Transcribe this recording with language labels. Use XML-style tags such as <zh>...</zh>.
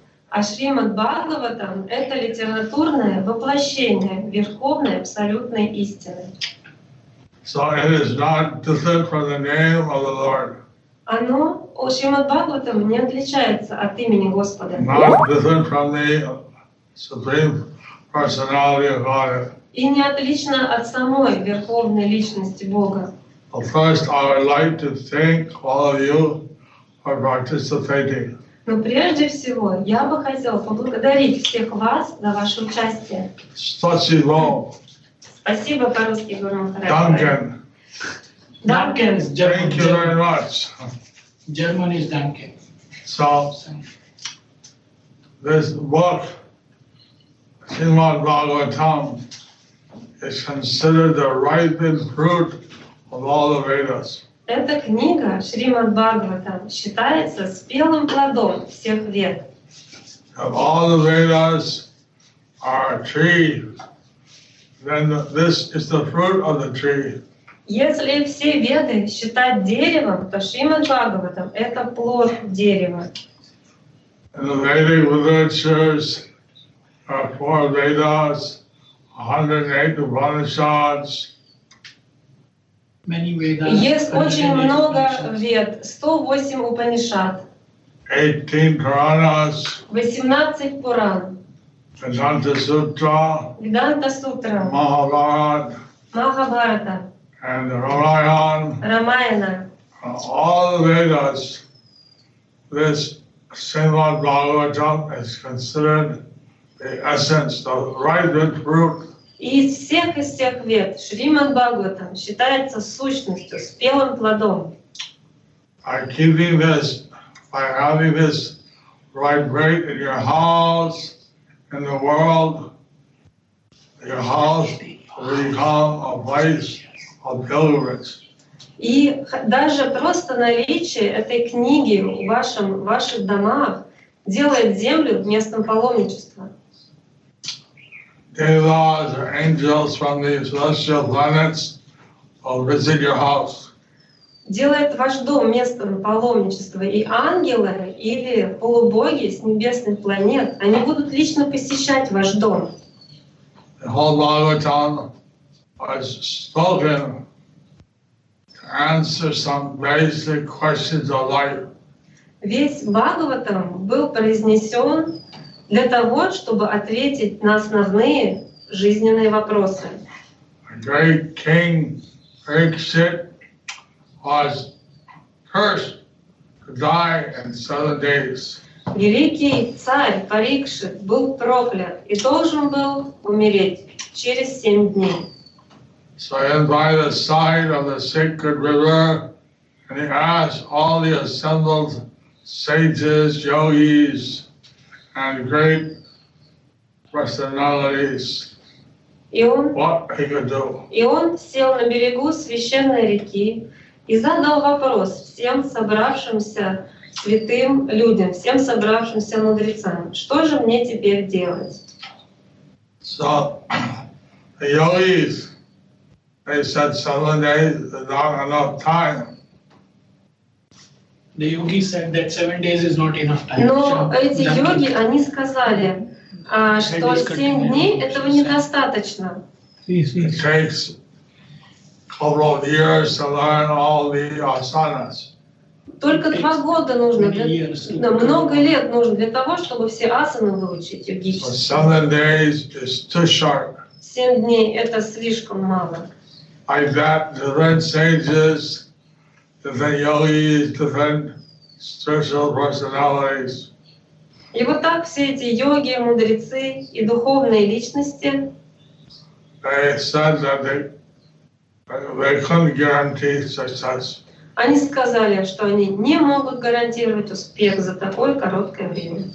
<ru>А Шримад Бхагаватам – это литературное воплощение верховной абсолютной истины.</ru> <en>So it is not different from the name of the Lord.</en> <ru>Оно, Шримад Бхагаватам, не отличается от имени Господа.</ru> <en>Not different from the Supreme Personality of God.</en> <ru>И не отлично от самой верховной личности Бога.</ru> <en>Well, first, I would like to thank all of you for participating.</en> <ru>Но прежде всего, я бы хотел поблагодарить всех вас за ваше участие. Спасибо. Спасибо по-русски, Гуру Махарадж.</ru> <de>Данкен.</de> <en>Thank you very much. German is Danken. So, this book, Srimad Bhagavatam, is considered the ripened fruit of all the Vedas.</en> <ru>Эта книга, Шримад Бхагаватам, считается спелым плодом всех вед.</ru> <en>If all the Vedas are a tree, then this is the fruit of the tree.</en> <ru>Если все веды считать деревом, то Шримад Бхагаватам — это плод дерева.</ru> <en>In the Vedic literatures, there are four Vedas, 108 Upanishads,</en> <ru>есть очень много вед, 108 Упанишад, 18 Пуран, Веданта Сутра, Махабхарата,</ru> <en>and Ramayan,</en> <ru>Рамаяна.</ru> <en>All the Vedas, this Srimad Bhagavatam is considered the essence, the ripened fruit.</en> <ru>И из всех вед Шримад Бхагаватам считается сущностью, спелым плодом.</ru> <en>By keeping this, by having this vibrate in your house, in the world, your house will become a place of pilgrimage.</en> <ru>И даже просто наличие этой книги в ваших домах делает землю местом паломничества.</ru> <en>Devas or angels from the celestial planets will visit your house.</en> <ru>Делает ваш дом местом паломничества, и ангелы или полубоги с небесных планет, они будут лично посещать ваш дом.</ru> <en>The whole Bhagavatam was spoken to answer some basic questions of life.</en> <ru>Весь Бхагаватам был произнесен для того, чтобы ответить на основные жизненные вопросы.</ru> <en>A great king, Rikshit, was cursed to die in 7 days.</en> <ru>Великий царь Парикшит был проклят и должен был умереть через 7 дней.</ru> <en>So he went by the side of the sacred river and he asked all the assembled sages, yogis, and great personalities, what he could do.</en> <ru>И он сел на берегу священной реки и задал вопрос всем собравшимся святым людям, всем собравшимся мудрецам, что же мне теперь делать?</ru> <en>So, the yogis, they said 7 days is not enough time. The yogi said that 7 days is not enough time.</en> <ru>Но эти йоги, они сказали, что 7 дней этого недостаточно.</ru> <en>It takes a couple of years to learn all the asanas.</en> <ru>Только 2 года нужно, да, много лет нужно для того, чтобы все асаны выучить йогически.</ru> <en>7 days is too short.</en> <ru>7 дней это слишком мало.</ru> <en>I bet the red sages, different yogis, different spiritual personalities.</en> <ru>И вот так все эти йоги, мудрецы и духовные личности.</ru> <en>They said that they couldn't guarantee success.</en> <ru>Они сказали, что они не могут гарантировать успех за такое короткое время.</ru>